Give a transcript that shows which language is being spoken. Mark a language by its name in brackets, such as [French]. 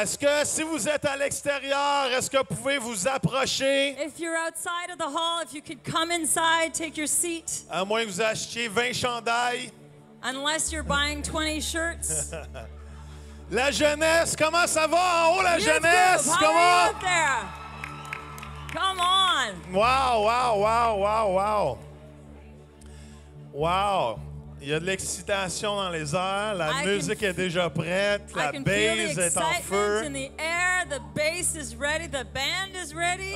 [French] Est-ce que si vous êtes à l'extérieur, est-ce que vous pouvez vous approcher? [English] If you're outside of the hall, if you could come inside, take your seat. [French] À moins que vous achetiez 20 chandails. [English] Unless you're buying 20 shirts. [French] La jeunesse, comment ça va en haut, la jeunesse? Comment? [English] Come on! Wow! Wow! [French] Il y a de l'excitation dans les airs, la musique est déjà prête, la bass est en feu. [English] In the air. The bass is ready, the band is ready.